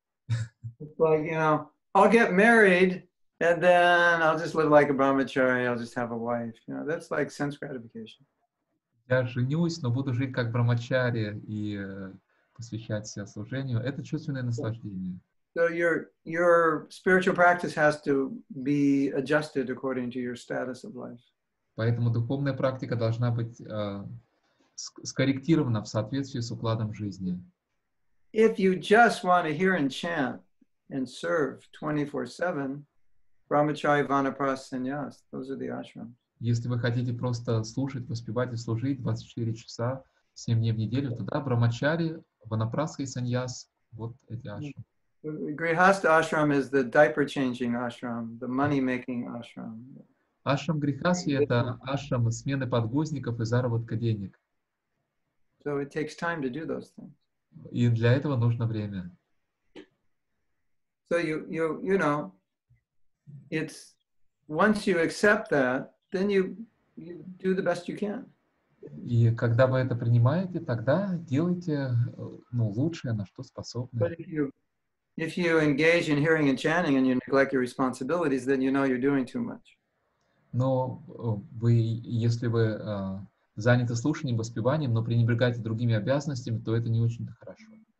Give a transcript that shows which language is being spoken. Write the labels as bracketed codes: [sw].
[en] It's like, you know, I'll get married and then I'll just live like a brahmachari, I'll just have a wife. You know, that's like sense gratification. [ru] Я женюсь, но буду жить как брамачари и посвящать себя служению. Это чувственное наслаждение. [en] So your spiritual practice has to be adjusted according to your status of life. [ru] Поэтому духовная практика должна быть скорректирована в соответствии с укладом жизни. [en] If you just want to hear and chant and serve 24/7, Brahmachari Vanaprastha Sannyas, those are the ashrams. [ru] Если вы хотите просто слушать, воспевать и служить 24 часа, 7 дней в неделю, тогда Брамачари, Ванапрасха и Саньяс, вот эти ашрамы. [en] Грихаста ашрам is the diaper-changing ashram, the money-making ashram. [ru] Ашрам грихасхи – это ашрам смены подгузников и заработка денег. [en] So it takes time to do those things. [ru] И для этого нужно время. [en] So you know, it's once you accept that, then you do the best you can. [ru] И когда вы это принимаете, тогда делайте лучшее, на что способны. [en] But if you engage in hearing and chanting and you neglect your responsibilities, then you know you're doing too much. [ru] Но если вы заняты слушанием, воспеванием, но пренебрегаете другими обязанностями, то это не очень-то хорошо.